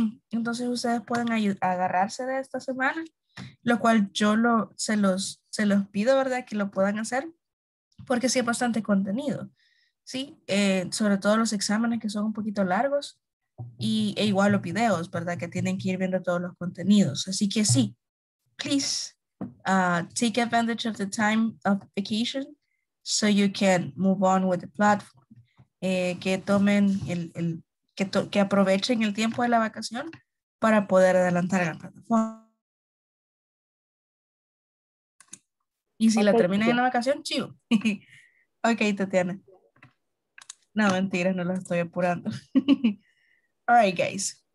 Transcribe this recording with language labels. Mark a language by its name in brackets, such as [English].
[Spanish] Entonces ustedes pueden agarrarse de esta semana, lo cual yo se los pido, ¿verdad? Que lo puedan hacer porque sí hay bastante contenido, ¿sí? Sobre todo los exámenes que son un poquito largos e igual los videos, ¿verdad? Que tienen que ir viendo todos los contenidos. Así que sí, please. [English] Take advantage of the time of vacation so you can move on with the platform. [Spanish] Que aprovechen el tiempo de la vacación para poder adelantar la plataforma. Y si la terminan en la vacación, chido. Ok, Tatiana. No, mentira, no la estoy apurando. [English] All right, guys.